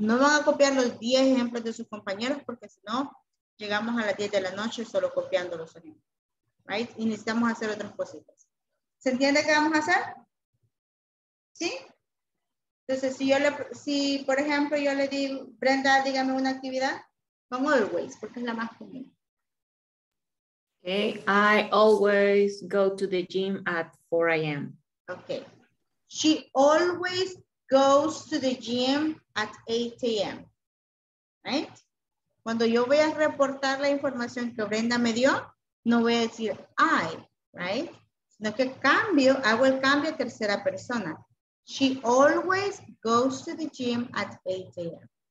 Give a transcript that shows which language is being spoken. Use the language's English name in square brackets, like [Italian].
[Spanish] No van a copiar los 10 ejemplos de sus compañeros, porque si no, llegamos a las 10 de la noche solo copiando los ejemplos, right? Y necesitamos hacer otras cositas. ¿Se entiende qué vamos a hacer? ¿Sí? Entonces, si por ejemplo yo le digo, Brenda, dígame una actividad, vamos a ver ways, porque es la más común. [English] I always go to the gym at 4 a.m. Okay. She always goes to the gym at 8 a.m. Right? [Spanish] Cuando yo voy a reportar la información que Brenda me dio, no voy a decir I, right? Sino que cambio, hago el cambio a tercera persona. [English] She always goes to the gym at 8 a.m.